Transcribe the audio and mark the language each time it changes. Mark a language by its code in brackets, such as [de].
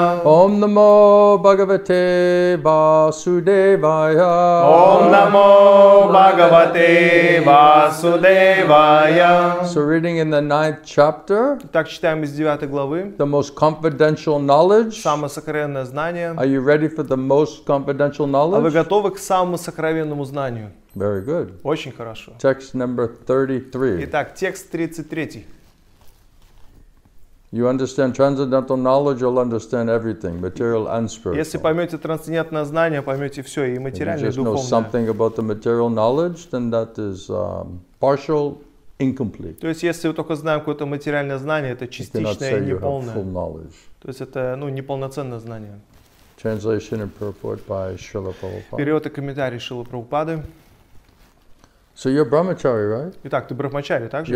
[sa] Om namo Bhagavate Vasudevaya. Om namo Bhagavate Vasudevaya. [en] So reading in the ninth chapter, [ru] так читаем из девятой главы. [en] The most confidential knowledge, [ru] самое сокровенное знание. [en] Are you ready for the most confidential knowledge? [ru] А вы готовы к самому сокровенному знанию? [en] Very good. [ru] Очень хорошо. [en] Text number 33. [ru] Итак, текст 33. [en] You understand transcendental knowledge, you'll understand everything, material and spiritual. [ru] Если поймете трансцендентное знание, поймете все, и материальное, и духовное. [en] If you just know something about the material knowledge, then that is partial. Incomplete. [ru] То есть, если вы только знаем какое-то материальное знание, это частичное и неполное. То есть, это неполноценное знание. [en] Translation and purport by Srila Prabhupada. [ru] Перевод и комментарий Шрилы Прабхупады. [en] So you're brahmachari, right? [ru] Итак, ты брахмачари, так же?